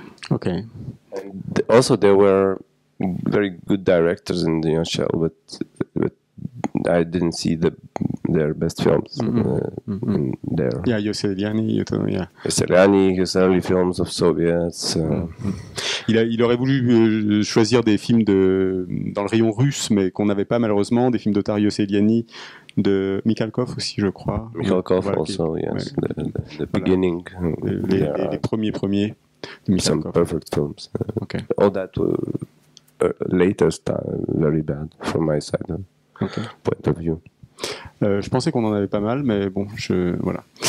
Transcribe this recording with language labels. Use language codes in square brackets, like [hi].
[en] Okay. And also, there were very good directors in the Shell, but I didn't see their best films there. Yeah, Yoseliani, you told me, yeah. Yoseliani, his early films of Soviets. [fr] Il aurait voulu choisir des films dans le rayon russe, mais qu'on n'avait pas malheureusement, des films d'Otar Yoseliani. De Mikhalkov aussi, je crois. Mikhalkov voilà, aussi, yes. Ouais. [en] The beginning. [fr] Les premiers de Mikhalkov. [en] Some perfect films. Okay. All that latest, very bad from my side. Okay. Point of view. [fr] Je pensais qu'on en avait pas mal, mais bon, voilà.